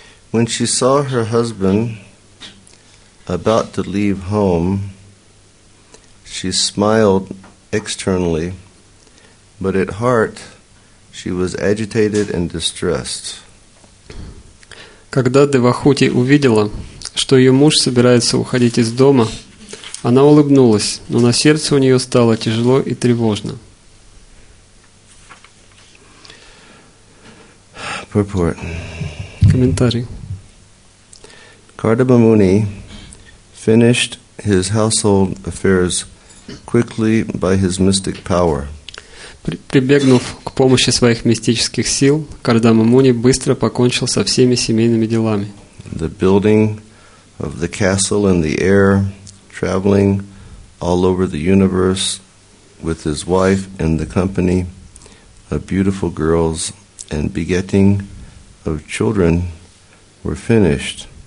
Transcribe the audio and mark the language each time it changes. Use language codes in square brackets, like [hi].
[en] When she saw her husband about to leave home, she smiled externally, but at heart she was agitated and distressed. [ru] Когда Девахути увидела, что ее муж собирается уходить из дома, она улыбнулась, но на сердце у нее стало тяжело и тревожно. [en] Purport. [ru] Комментарий. [en] Kardama Muni finished his household affairs quickly by his mystic power. [ru] Прибегнув к помощи своих мистических сил, Кардама Муни быстро покончил со всеми семейными делами. [en] The building of the castle in the air, traveling all over the universe with his wife and the company of beautiful girls and begetting of children were finished.